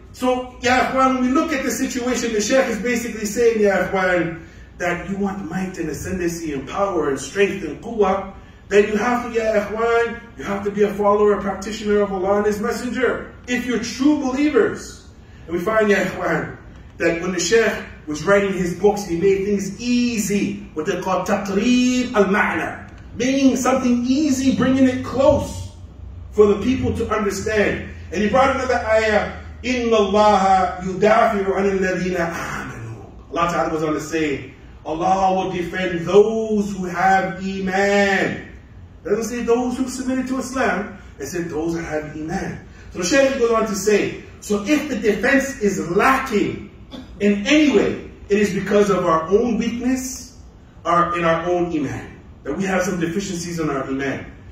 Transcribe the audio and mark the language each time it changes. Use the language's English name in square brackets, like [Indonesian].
[English] So Ya Ikhwan, when we look at the situation, the Shaykh is basically saying, Ya Ikhwan, that you want might and ascendancy and power and strength and quwwah, then you have to, Ya Ikhwan, you have to be a follower, a practitioner of Allah and His Messenger, if you're true believers. And we find, Ya Ikhwan, that when the Shaykh was writing his books, he made things easy, what they call taqreeb al-ma'na, making something easy, bringing it close for the people to understand. And he brought another ayah, [Arabic] إِنَّ اللَّهَ يُدَافِعُ عَنِ الَّذِينَ آمَنُوا. [English] Allah Ta'ala goes on to say, Allah will defend those who have iman. It doesn't say those who submitted to Islam, it said those who have iman. So the Shaykh goes on to say, so if the defense is lacking in any way, it is because of our own weakness in our own iman, that we have some deficiencies in our iman.